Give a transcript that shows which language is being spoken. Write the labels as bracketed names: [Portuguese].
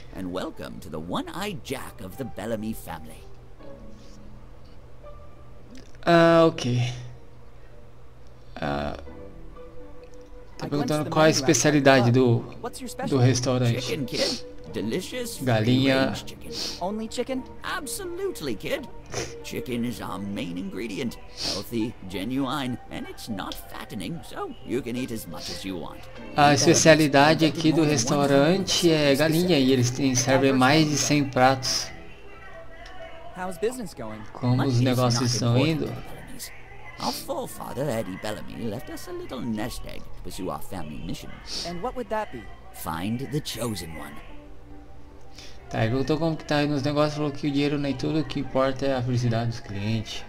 [English] And welcome to the one-eyed Jack of the Bellamy family. Ok. [Portuguese] Tá perguntando qual é a especialidade do restaurante. [English] Chicken, kid. Delicious. [Portuguese] Galinha. [English] Chicken. Only chicken? Absolutely, kid. Chicken is our main ingredient. Healthy, genuine, and it's not fattening, so you can eat as much as you want. [Portuguese] A especialidade aqui do restaurante é galinha e eles servem mais de 100 pratos. [English] How's business going? [Portuguese] Como os negócios estão indo? [English] Our forefather Eddie Bellamy left us a little nest egg to pursue our family mission. And what would that be? Find the chosen one. [Portuguese] Tá, ele perguntou como que tá aí nos negócios, falou que o dinheiro nem tudo, o que importa é a felicidade dos clientes.